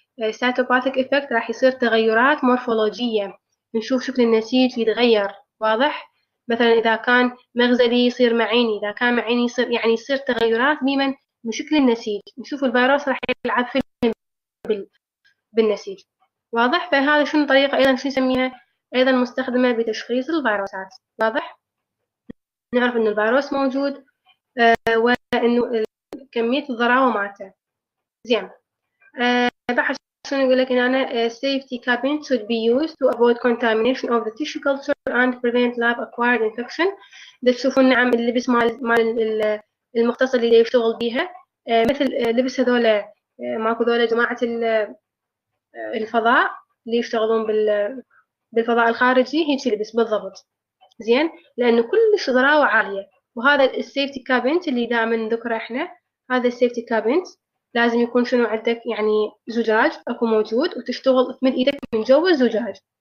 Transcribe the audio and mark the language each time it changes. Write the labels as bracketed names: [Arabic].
[Arabic] سايتوباثيك افكت، راح يصير تغيرات مورفولوجية، نشوف شكل النسيج يتغير، واضح؟ مثلا اذا كان مغزلي يصير معيني، اذا كان معيني يصير، يعني يصير تغيرات ميما من شكل النسيج، نشوف الفيروس راح يلعب في بالنسيج، واضح؟ فهذا شنو طريقة ايضا شو نسميها؟ ايضا مستخدمة بتشخيص الفيروسات، واضح؟ نعرف ان الفيروس موجود وانه كمية الضراوة مالته. زين، بحث شنو يقول لك هنا، [English] safety cabin should be used to avoid contamination of the tissue culture and prevent lab acquired infection. [Arabic] ده تشوفون نعم اللبس مال المختص اللي يشتغل بيها، مثل لبس هذول ماكو هذول جماعة الفضاء اللي يشتغلون بالفضاء الخارجي، هيك لبس بالضبط. زين، لانه كلش ضراوة عالية، وهذا السيفتي كابنت اللي دائما نذكره احنا، هذا السيفتي كابنت لازم يكون شنو عندك يعني زجاج اكو موجود، وتشتغل تمد ايدك من جوا الزجاج،